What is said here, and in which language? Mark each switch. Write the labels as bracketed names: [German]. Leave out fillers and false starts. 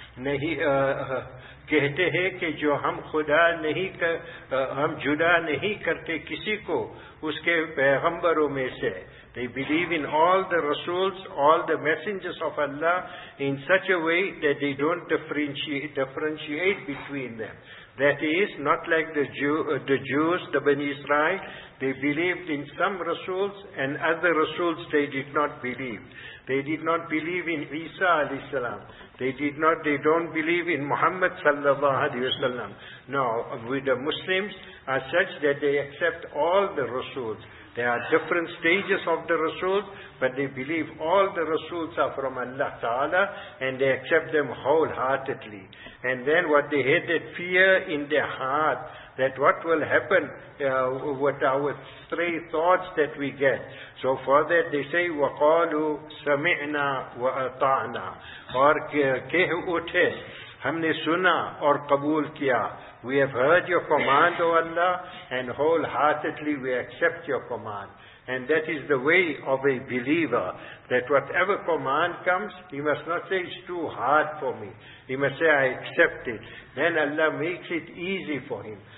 [Urdu] نہیں کہتے ہیں کہ جو ہم خدا نہیں ہم جدا نہیں کرتے کسی کو اس کے پیغمبروں میں سے. [English] They believe in all the rasuls, all the messengers of Allah in such a way that they don't differentiate between them. That is, not like the Jews, the Bani Israel, they believed in some rasuls and other rasuls they did not believe. They did not believe in Isa alayhi salam. They don't believe in Muhammad sallallahu alayhi wa sallam. No, with the Muslims are such that they accept all the rasuls. There are different stages of the rasuls, but they believe all the rasuls are from Allah Ta'ala and they accept them wholeheartedly. And then what they had that fear in their heart, that what will happen with our stray thoughts that we get. So for that they say, [Arabic] وَقَالُوا سَمِعْنَا وَأَطَعْنَا [Urdu] اور کہہ اٹھے ہم نے سنا اور قبول کیا. [English] We have heard your command, O Allah, and wholeheartedly we accept your command. And that is the way of a believer, that whatever command comes, he must not say it's too hard for me. He must say, I accept it. Then Allah makes it easy for him.